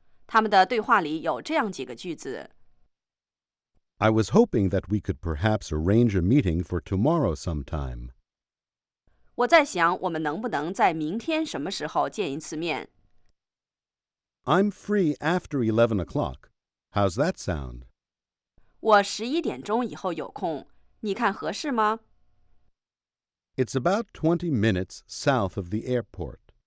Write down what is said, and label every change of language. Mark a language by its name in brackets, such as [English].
[Chinese] 他们的对话里有这样几个句子。 [English] I was hoping that we could perhaps arrange a meeting for tomorrow sometime. [Chinese] 我在想我们能不能在明天什么时候见一次面。 [English] I'm free after 11 o'clock. How's that sound? [Chinese] 我11点钟以后有空，你看合适吗？ [English] It's about 20 minutes south of the airport.